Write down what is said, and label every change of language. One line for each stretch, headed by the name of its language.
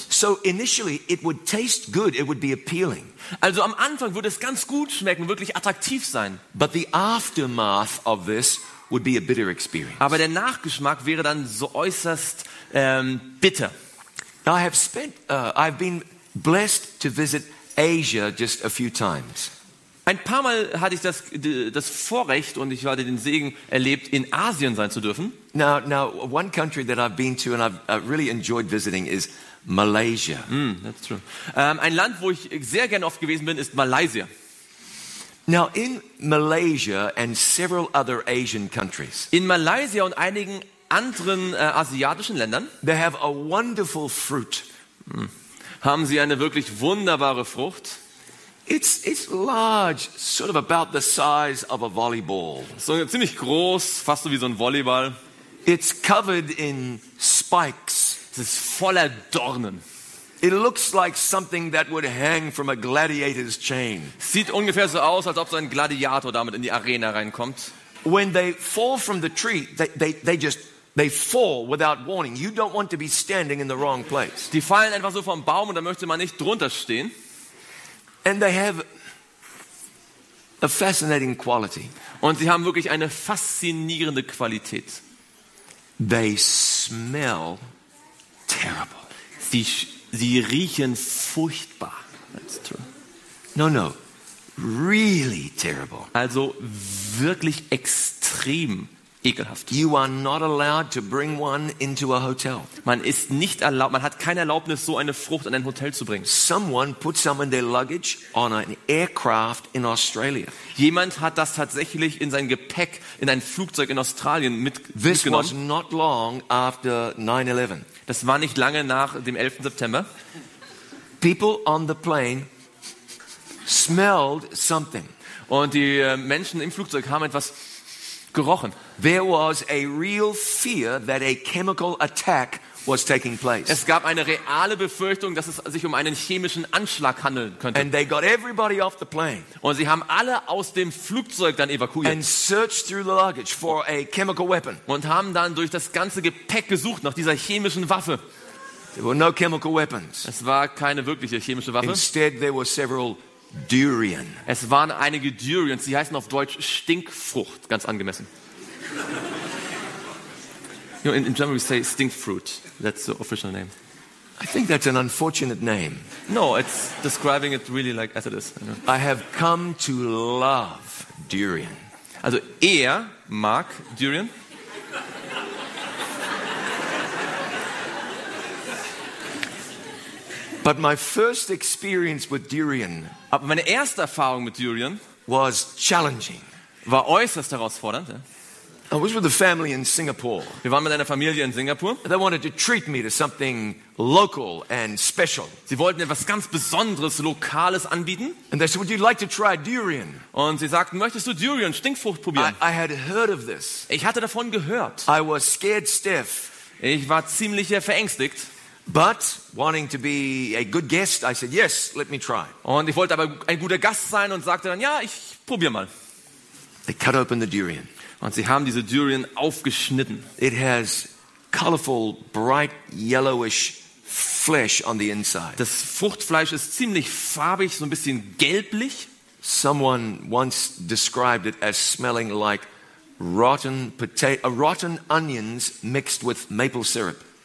English: So initially it would taste good, it would be appealing.
German: Also am Anfang würde es ganz gut schmecken, wirklich attraktiv sein.
English: But the aftermath of this would be a bitter experience.
German: Aber der Nachgeschmack wäre dann so äußerst bitter.
English: Now I've been blessed to visit Asia just a few times.
German: Ein paar Mal hatte ich das Vorrecht und ich hatte den Segen erlebt, in Asien sein zu dürfen.
English: Now one country that I've been to and I've really enjoyed visiting is Malaysia. That's true.
German: Ein Land, wo ich sehr gerne oft gewesen bin, ist Malaysia.
English: Now in Malaysia and several other Asian countries.
German: In Malaysia und einigen anderen asiatischen Ländern.
English: They have a wonderful fruit.
German: Haben sie eine wirklich wunderbare Frucht.
English: It's large, sort of about the size of a volleyball.
German: So ziemlich groß, fast so wie so ein Volleyball.
English: It's covered in spikes.
German: Es ist voller Dornen.
English: It looks like something that would hang from a gladiator's chain.
German: Sieht ungefähr so aus, als ob so ein Gladiator damit in die Arena reinkommt.
English: When they fall from the tree, they fall without warning. You don't want to be standing in the wrong place.
German: Die fallen einfach so vom Baum und da möchte man nicht drunter stehen.
English: And they have a fascinating quality.
German: Und sie haben wirklich eine faszinierende Qualität.
English: They smell terrible.
German: Sie riechen furchtbar.
English: That's true. No, really terrible.
German: Also wirklich extrem ekelhaft.
English: You are not allowed to bring one into a hotel.
German: Man ist nicht erlaubt, man hat keine Erlaubnis, so eine Frucht in ein Hotel zu bringen.
English: Someone put some in their luggage on an aircraft in Australia.
German: Jemand hat das tatsächlich in sein Gepäck in ein Flugzeug in Australien mitgenommen.
English: This was not long after 9/11.
German: Das war nicht lange nach dem 11. September.
English: People on the plane smelled something.
German: Und die Menschen im Flugzeug haben etwas gerochen.
English: There was a real fear that a chemical attack was taking place.
German: Es gab eine reale Befürchtung, dass es sich um einen chemischen Anschlag handeln könnte.
English: And they got everybody off the plane.
German: Und sie haben alle aus dem Flugzeug dann evakuiert.
English: And searched through the luggage for a chemical weapon.
German: Und haben dann durch das ganze Gepäck gesucht nach dieser chemischen Waffe.
English: There were no chemical weapons.
German: Es war keine wirkliche chemische Waffe.
English: Instead there were several Durian.
German: Es waren einige Durians. Sie heißen auf Deutsch Stinkfrucht. Ganz angemessen.
English: You know, in German we say Stinkfruit. That's the official name. I think that's an unfortunate name. No, it's describing it really like as it is. I have come to love durian.
German: Also er mag Durian.
English: But my first experience with durian,
German: aber meine erste Erfahrung mit durian
English: was challenging.
German: War äußerst herausfordernd. Ja?
English: I was with a family in Singapore.
German: Wir waren mit einer Familie in Singapur.
English: They wanted to treat me to something local and special.
German: Sie wollten etwas ganz Besonderes, Lokales anbieten.
English: And they said, "Would you like to try durian?"
German: Und sie sagten, möchtest du Durian, Stinkfrucht probieren?
English: I had heard of this.
German: Ich hatte davon gehört.
English: I was scared stiff.
German: Ich war ziemlich verängstigt.
English: But wanting to be a good guest, I said, "Yes, let me try."
German: Und ich wollte aber ein guter Gast sein und sagte dann, ja, ich probiere mal.
English: They cut open the durian.
German: Und sie haben diese Durian aufgeschnitten.
English: It has colorful, bright, yellowish flesh on the inside.
German: Das Fruchtfleisch ist ziemlich farbig, so ein bisschen gelblich.
English: Someone once described it as smelling like rotten onions mixed with maple syrup.